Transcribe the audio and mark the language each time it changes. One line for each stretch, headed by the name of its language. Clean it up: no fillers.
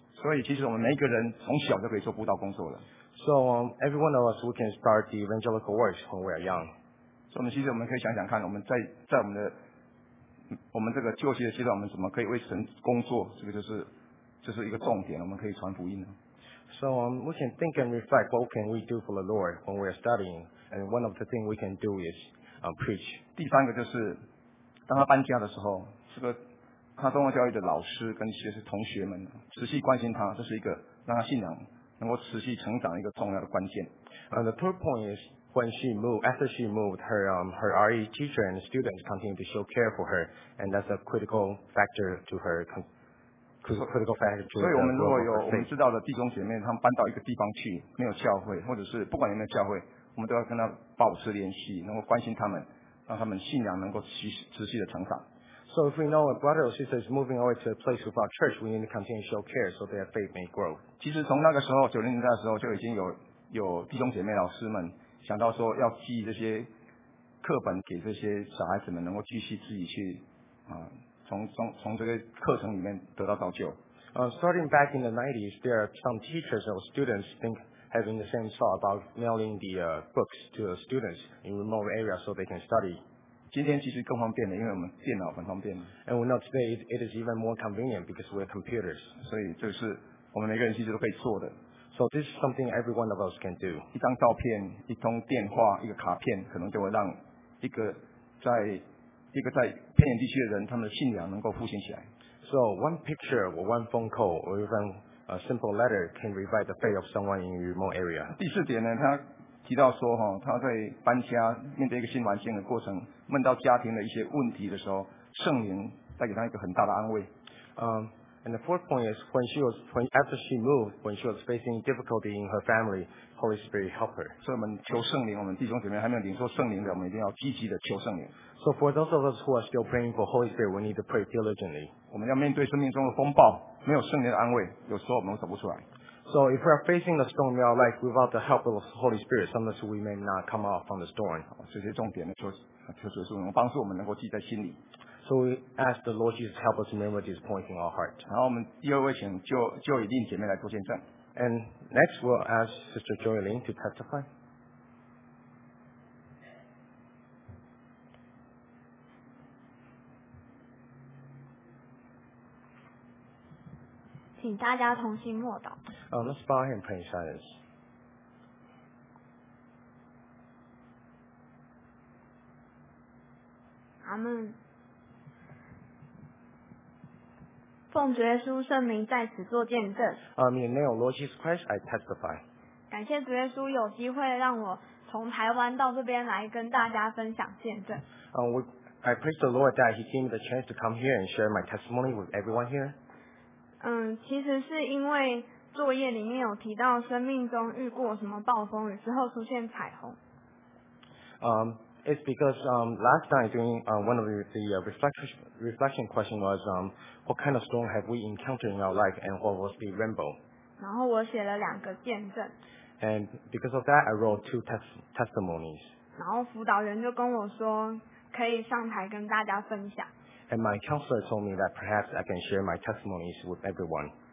Chinese: 所以其实我们每一个人从小就可以做布道工作了。
English: So every one of us, we can start the evangelical works when we are young.
Chinese: 所以我们其实我们可以想想看，我们在我们的我们这个就学的阶段，我们怎么可以为神工作？这个就是一个重点，我们可以传福音呢。
English: So we can think and reflect what can we do for the Lord when we are studying, and one of the things we can do is preach.
Chinese: 第三个就是当他搬家的时候，这个他中文教育的老师跟其实同学们持续关心他，这是一个让他信仰能够持续成长一个重要的关键。
English: The third point is when she moved, after she moved, her RE teacher and students continued to show care for her, and that's a critical factor to her. Critical factor to her.
Chinese: 所以我们如果有我们知道的弟兄姐妹，他们搬到一个地方去，没有教会，或者是不管有没有教会，我们都要跟他保持联系，能够关心他们，让他们信仰能够持续的成长。
English: So if we know a brother or sister is moving away to a place without church, we need to continue to show care so their faith may grow.
Chinese: 其实从那个时候，九零年代的时候就已经有弟兄姐妹老师们想到说要寄这些课本给这些小孩子们，能够继续自己去从这个课程里面得到造就。
English: Starting back in the 90s, there are some teachers or students think having the same thought about mailing the books to the students in remote areas so they can study.
Chinese: 今天其实更方便的，因为我们电脑很方便。
English: And we know today it is even more convenient because we have computers.
Chinese: 所以这是我们每个人其实都可以做的。
English: So this is something every one of us can do.
Chinese: 一张照片、一通电话、一个卡片，可能就会让一个在偏远地区的人，他们的信仰能够复兴起来。
English: So one picture or one phone call or even a simple letter can revive the faith of someone in a remote area.
Chinese: 第四点呢，他提到说他在搬家面对一个新环境的过程，问到家庭的一些问题的时候，圣灵带给他一个很大的安慰。
English: And the fourth point is when she was facing difficulty in her family, Holy Spirit helped her.
Chinese: 所以我们求圣灵，我们弟兄姐妹还没有领受圣灵的，我们一定要积极的求圣灵。
English: So for those of us who are still praying for Holy Spirit, we need to pray diligently.
Chinese: 我们要面对生命中的风暴，没有圣灵的安慰，有时候我们走不出来。
English: So if we are facing the storm in our life without the help of the Holy Spirit, sometimes we may not come out from the storm.
Chinese: 这些重点呢，就是说能帮助我们能够记在心里。
English: So we ask the Lord Jesus to help us remember these points in our heart.
Chinese: 然后我们第二位请就以令姐妹来做见证。
English: And next we'll ask Sister Joy Lin to testify.
Chinese: 请大家同心默祷。
English: Let's bow and pray in silence.
Chinese: 阿们。奉主耶稣圣名在此做见证。
English: In the name of Lord Jesus Christ, I testify.
Chinese: 感谢主耶稣有机会让我从台湾到这边来跟大家分享见证。
English: I praise the Lord that He gave me the chance to come here and share my testimony with everyone here.
Chinese: 其实是因为作业里面有提到生命中遇过什么暴风雨之后出现彩虹。
English: It's because last night during one of the reflection question was what kind of storm have we encountered in our life and what was the rainbow?
Chinese: 然后我写了两个见证。
English: And because of that, I wrote two testimonies.
Chinese: 然后辅导员就跟我说可以上台跟大家分享。
English: And my counselor told me that perhaps I can share my testimonies with everyone.